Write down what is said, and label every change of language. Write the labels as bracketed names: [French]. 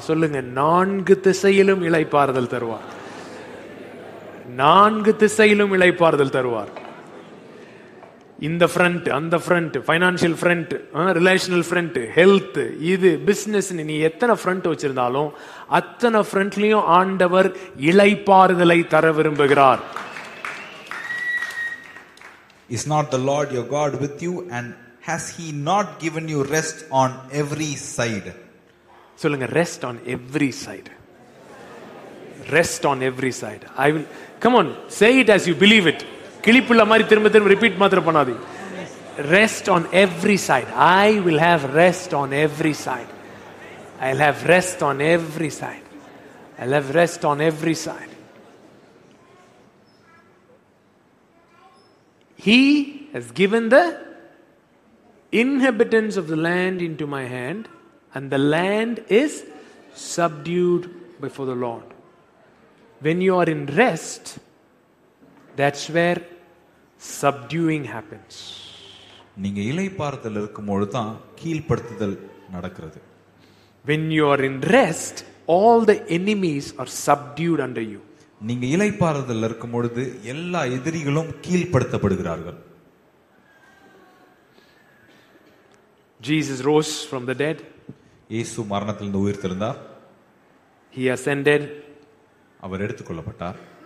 [Tamil] சொல்லுங்க, நான்கு திசையிலும் இளைப்பாறுதல் தருவார். நான்கு திசையிலும் இளைப்பாறுதல் தருவார். இந்த ஃப்ரண்ட், அந்த front, financial front, relational front, health, இது பிசினஸ், நீ எத்தனை ஃப்ரண்ட் வச்சிருந்தாலும் அத்தனை ஃப்ரண்ட்லயும் ஆண்டவர் இளைப்பாறுதலை தர விரும்புகிறார். [English] Is not the Lord your God with you, and has he not given you rest on every side? [Tamil] சொல்லுங்க, [English] rest on every side. Rest on every side. I will come on, say it as you believe it. [Tamil] கிளிப்புள்ள மாதிரி திரும்ப திரும்ப repeat மாத்திரம் பண்ணாதீ. [English] Rest on every side. I will have rest on every side. I'll have rest on every side. I'll have rest on every side. He has given the inhabitants of the land into my hand, and the land is subdued before the Lord. When you are in rest, that's where subduing happens. [Tamil] நீங்க இளைப்பாறுதல் இருக்கும்போது தான் கீழ்ப்படுத்துதல் நடக்கிறது. [English] When you are in rest, all the enemies are subdued under you. [Tamil] நீங்க இளைப்பாறுதல் இருக்கும்போது எல்லா எதிரிகளும் கீழ்ப்படுத்தப்படுகிறார்கள். [English] Jesus rose from the dead. [Tamil] இயேசு மரணத்திலிருந்து உயிர்த்தெழுந்தார். [English] He ascended. [Tamil] அவர் எடுத்துக்கொள்ளப்பட்டார்.